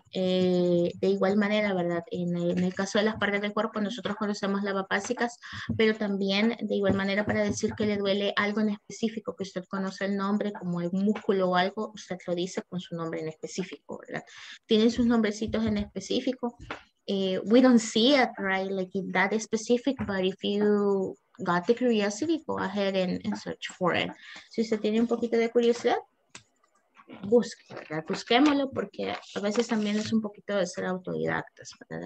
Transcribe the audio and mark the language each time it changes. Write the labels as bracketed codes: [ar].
[es] De igual manera, ¿verdad? En el caso de las partes del cuerpo, nosotros conocemos las básicas, pero también de igual manera para decir que le duele algo en específico, que usted conoce el nombre, como el músculo o algo, usted lo dice con su nombre en específico, ¿verdad? Tienen sus nombrecitos en específico. [en] We don't see it, right? Like in that specific, but if you got the curiosity, go ahead and search for it. [es] Si usted tiene un poquito de curiosidad, busque, ¿verdad? Busquémoslo, porque a veces también es un poquito de ser autodidactas, ¿verdad?